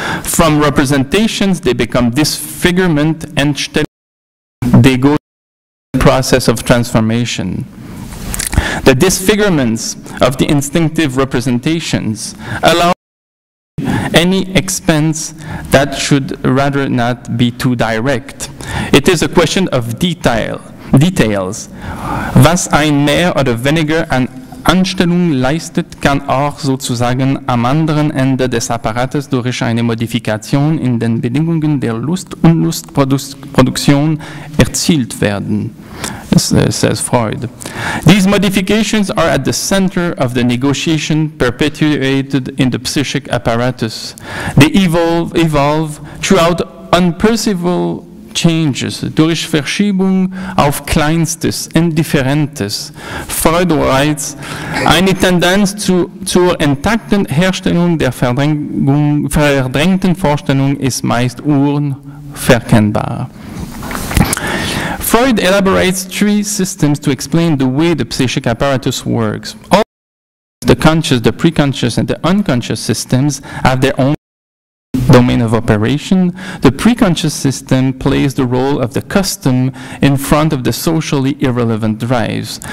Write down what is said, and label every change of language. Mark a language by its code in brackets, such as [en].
[en] From representations, they become disfigurement and they go process of transformation. The disfigurements of the instinctive representations allow any expense that should rather not be too direct. It is a question of details. [de] Was ein mehr oder weniger an Anstellung leistet, kann auch sozusagen am anderen Ende des Apparates durch eine Modifikation in den Bedingungen der Lust- und Lustproduktion erzielt werden. [en] Says Freud. These modifications are at the center of the negotiation perpetuated in the psychic apparatus. They evolve throughout unperceivable changes, [de] durch Verschiebung auf Kleinstes, Indifferentes. [en] Freud writes, [de] eine Tendenz zur intakten Herstellung der verdrängten Vorstellung ist meist unverkennbar. [en] Freud elaborates three systems to explain the way the psychic apparatus works. All the conscious, the preconscious, and the unconscious systems have their own domain of operation. The preconscious system plays the role of the custom in front of the socially irrelevant drives.